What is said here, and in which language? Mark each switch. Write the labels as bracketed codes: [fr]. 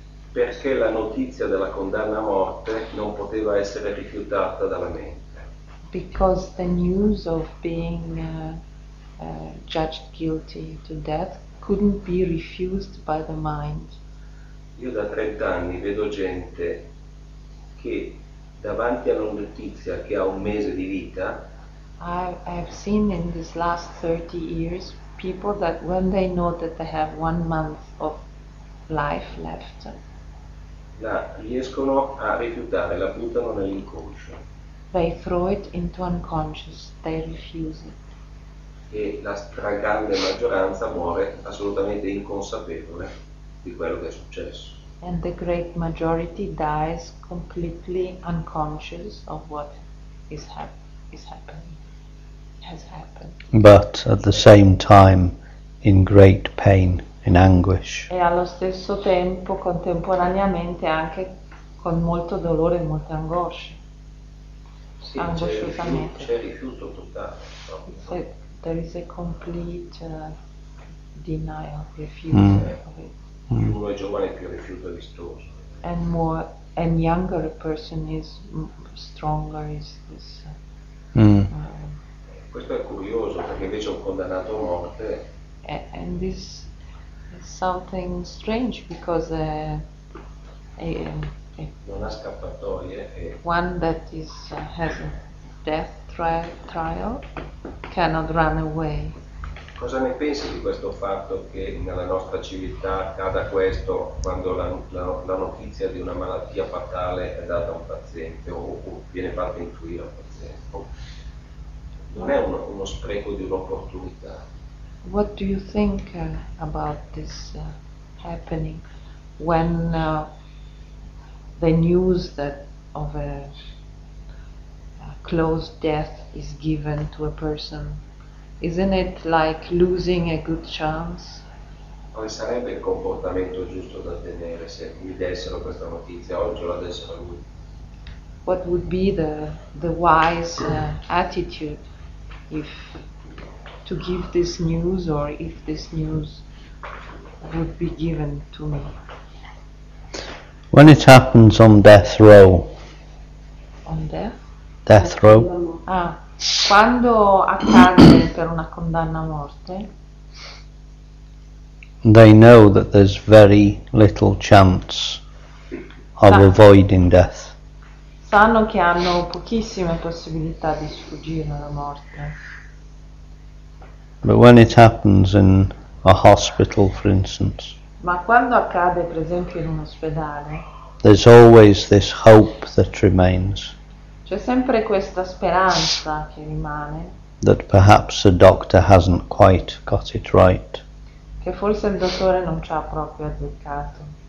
[it] Perché la notizia della condanna a morte non poteva essere rifiutata dalla mente. [en] Because the news of being judged guilty to death couldn't be refused by the mind. [it] Io da 30 anni vedo gente che davanti alla notizia che ha un mese di vita, [en] I've seen in these last 30 years people that when they know that they have 1 month of life left, [it] la riescono a rifiutare, la buttano nell'inconscio. [en] They throw it into unconscious, they refuse it. [it] E la stragrande maggioranza muore assolutamente inconsapevole di quello che è successo. [en] And the great majority dies completely unconscious of what has happened. But at the same time in great pain, in anguish. [it] E allo stesso tempo, contemporaneamente, anche con molto dolore e molta angoscia. Sì, angosciosamente. C'è rifiuto totale. [en] There is a complete denial, refusal of it. [it] Più uno è giovane, più rifiuto è vistoso. [en] And more, and younger a person is, stronger is this. [it] Questo è curioso, perché invece un condannato a morte. [en] And this is something strange because [it] non ha scappatoie. [en] One that is has a death trial cannot run away. [it] Cosa ne pensi di questo fatto che nella nostra civiltà accada questo quando la notizia di una malattia fatale è data a un paziente o viene fatta intuire a un paziente? Non è uno spreco di un'opportunità? [en] What do you think about this happening when the news that of a close death is given to a person, isn't it like losing a good chance? [it] Quale sarebbe il comportamento giusto da tenere se mi dessero questa notizia oggi o la dessero lui? [en] What would be the wise attitude if to give this news or if this news would be given to me? When it happens on death row. On death? Death row. [it] Ah, quando accade per una condanna a morte. [en] they know that there's very little chance of avoiding death. [it] Sanno che hanno pochissime possibilità di sfuggire alla morte. [en] But when it happens in a hospital, for instance, [it] ma quando accade, per esempio, in un ospedale, [en] there's always this hope that remains. [it] C'è sempre questa speranza che rimane. [en] That perhaps the doctor hasn't quite got it right. [it] Che forse il dottore non ci ha proprio azzeccato.